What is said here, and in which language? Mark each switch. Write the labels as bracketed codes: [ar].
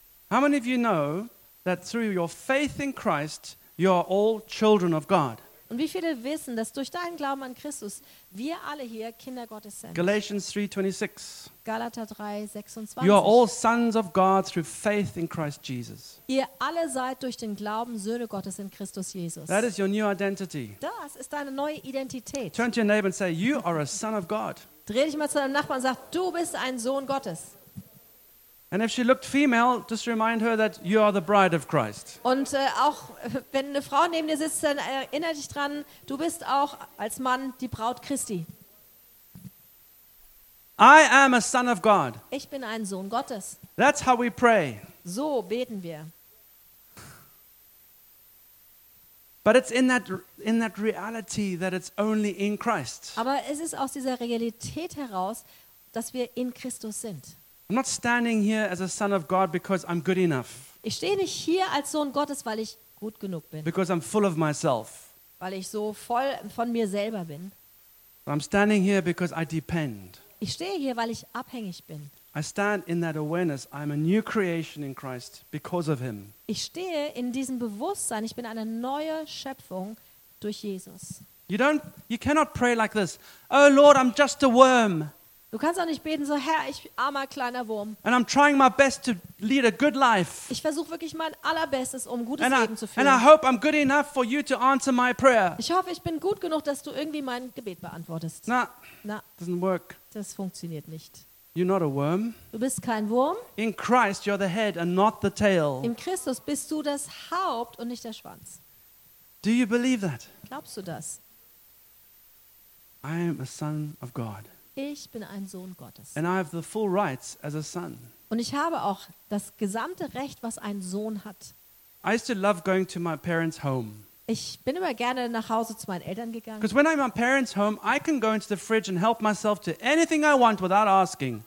[en] How many of you know that through your faith in Christ you are all children of God? [de] Und wie viele wissen, dass durch deinen Glauben an Christus wir alle hier Kinder Gottes sind? [en] Galatians 3:26. [de] Galater 3:26. [en] You are all sons of God through faith in Christ Jesus. [de] Ihr alle seid durch den Glauben Söhne Gottes in Christus Jesus. [en] That is your new identity. [de] Das ist deine neue Identität. [en] Turn to your neighbor and say, you are a son of God. [de] Dreh dich mal zu deinem Nachbarn und sag, du bist ein Sohn Gottes. [en] And if she looked female, just remind her that you are the bride of Christ. [de] Und auch wenn eine Frau neben dir sitzt, dann erinnere dich dran, du bist auch als Mann die Braut Christi. [en] I am a son of God. [de] Ich bin ein Sohn Gottes. [en] That's how we pray. [de] So beten wir. [en] But it's in that reality that it's only in Christ. [de] Aber es ist aus dieser Realität heraus, dass wir in Christus sind. [en] I'm not standing here as a son of God because I'm good enough. [de] Ich stehe nicht hier als Sohn Gottes, weil ich gut genug bin. [en] Because I'm full of myself. [de] Weil ich so voll von mir selber bin. [en] But I'm standing here because I depend. [de] Ich stehe hier, weil ich abhängig bin. [en] I stand in that awareness. I'm a new creation in Christ because of him. [de] Ich stehe in diesem Bewusstsein, ich bin eine neue Schöpfung durch Jesus. [en] You cannot pray like this. Oh Lord, I'm just a worm. [de] Du kannst auch nicht beten so, Herr, ich armer kleiner Wurm. [en] And I'm trying my best to lead a good life. [de] Ich versuche wirklich mein allerbestes, um gutes [en] and [de] Leben [en] I, [de] zu führen. [en] And I hope I'm good enough for you to answer my prayer. [de] Ich hoffe, ich bin gut genug, dass du irgendwie mein Gebet beantwortest. [en] Na. Doesn't work. [de] Das funktioniert nicht. [en] You're not a worm. [de] Du bist kein Wurm. [en] In Christ you're the head and not the tail. [de] In Christus bist du das Haupt und nicht der Schwanz. [en] Do you believe that? [de] Glaubst du das? [en] I am a son of God. [de] Ich bin ein Sohn Gottes. [en] And I have the full rights as a son. [de] Und ich habe auch das gesamte Recht, was ein Sohn hat. [en] I used to love going to my parents' home. [de] Ich bin immer gerne nach Hause zu meinen Eltern gegangen. [en] Because when I'm at my parents' home, I can go into the fridge and help myself to anything I want without asking.